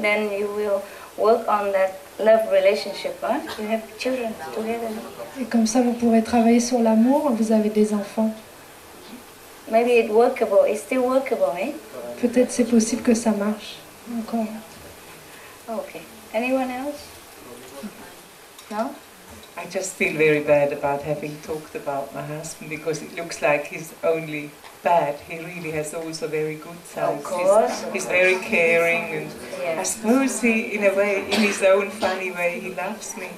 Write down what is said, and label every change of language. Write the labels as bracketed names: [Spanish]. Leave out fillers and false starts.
[English] Then you will work on that love relationship, hein? You have children together. [French] Et comme ça, vous pourrez travailler sur l'amour. Vous avez des enfants. [English] Maybe it workable. It's still workable, eh? [French] Peut-être c'est possible que ça marche encore. [English] Okay. Anyone else? No. I just feel very bad about having talked about my husband because it looks like he's only bad. He really has also very good sides. Of course. He's very caring, and yes. I suppose he, in a way, in his own funny way, he loves me.